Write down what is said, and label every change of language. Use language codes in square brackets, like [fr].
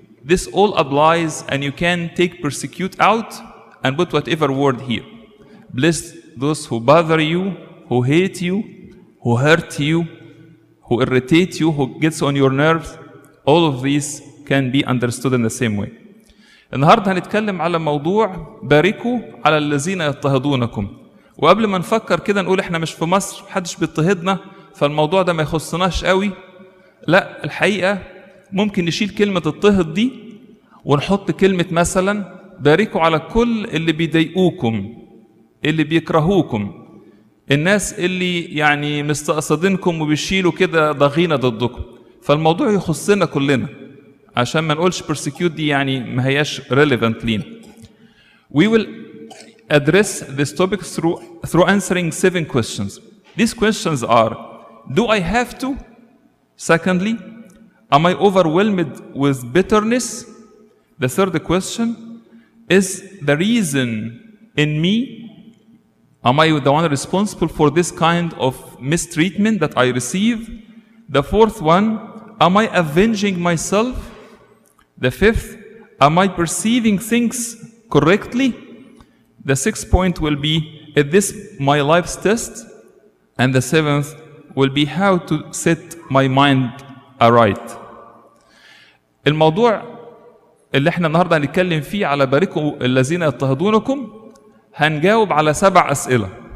[en] This all applies, and you can take persecute out and put whatever word here. Bless those who bother you, who hate you, who hurt you, who irritate you, who gets on your nerves. All of these can be understood in the same way. [ar] النهاردة هنتكلم على موضوع باركوا على الذين يضطهدونكم. وقبل ما نفكر كده نقول احنا مش في مصر محدش بيضطهدنا فالموضوع ده ما يخصناش قوي. لا الحقيقة ممكن نشيل كلمة الطهد دي ونحط كلمة مثلا باركوا على كل اللي بيضايقوكم اللي بيكرهوكم الناس اللي يعني مستقصدينكم وبيشيلوا كده ضغينة ضدكم فالموضوع يخصنا كلنا عشان ما نقولش persecute دي يعني ما هياش relevant لينا. [en] We will address this topic through answering 7 questions. These questions are, do I have to? Secondly, am I overwhelmed with bitterness? The third question, is the reason in me? Am I the one responsible for this kind of mistreatment that I receive? The fourth one, am I avenging myself? The fifth, am I perceiving things correctly? The sixth point will be, is this my life's test? And the seventh will be how to set my mind aright. [ar] الموضوع اللي احنا النهاردة هنتكلم فيه على باركوا الذين يضطهدونكم هنجاوب على 7 أسئلة.